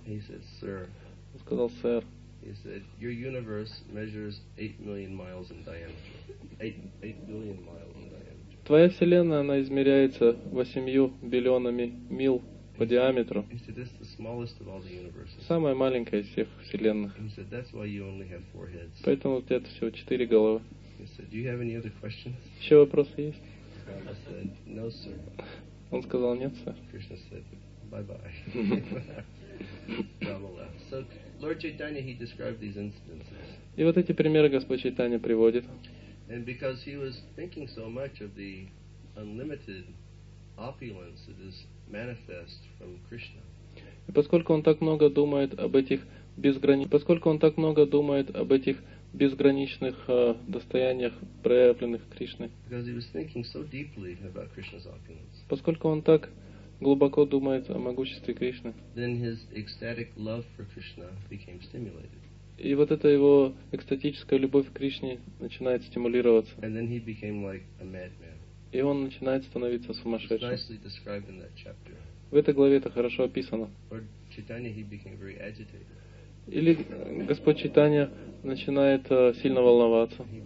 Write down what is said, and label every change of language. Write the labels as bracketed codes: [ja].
[en] He said, sir. [ru] Он сказал, сэр. [en] He said, your universe measures 8 million miles in diameter. 8 billion miles in diameter. [ru] Твоя вселенная, она измеряется 8 миллионами мил по диаметру. [en] He said, that's the smallest of all the universes. [ru] Самая маленькая из всех вселенных. [en] He said, that's why you only have 4 heads. [ru] Поэтому у тебя всего 4 головы. [en] He said, do you have any other questions? [ru] Еще вопросы есть? [en] I said, no, sir. [ru] Он сказал, нет, сэр. [en] Krishna said, bye-bye. Brahma left. So, Lord Chaitanya, he described these instances. [ru] И вот эти примеры Господь Чайтанья приводит. [en] And because he was thinking so much of the unlimited opulence that is manifest from Krishna. [ru] И поскольку он так много думает об этих безграничных, поскольку он так много думает об этих безграничных достояниях, проявленных Кришной. So поскольку он так глубоко думает о могуществе Кришны, [en] then his ecstatic love for Krishna became stimulated. [ru] И вот эта его экстатическая любовь к Кришне начинает стимулироваться. [en] And then he became like a madman. [ru] И он начинает становиться сумасшедшим. [en] It's nicely described in that chapter. [ru] В этой главе это хорошо описано. [en] Lord Chaitanya, he became very agitated. [ru] Или Господь Чайтанья начинает сильно волноваться.